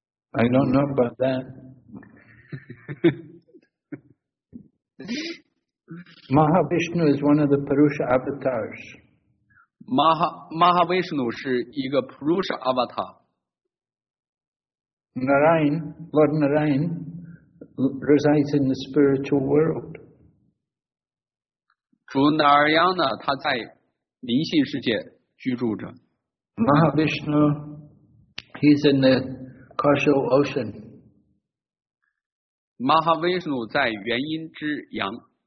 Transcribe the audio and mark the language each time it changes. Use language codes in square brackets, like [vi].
[en] I don't know about that Mahavishnu is one of the Purusha avatars. [zh] Mahavishnu 是一个 Purusha Avatar。 [en] Narayan, Lord Narayan, resides in the spiritual world. [zh] 主 Narayana 他在灵性世界居住着。 [en] Mahavishnu, he's in the causal ocean. [zh] Mahavishnu 在元因之洋。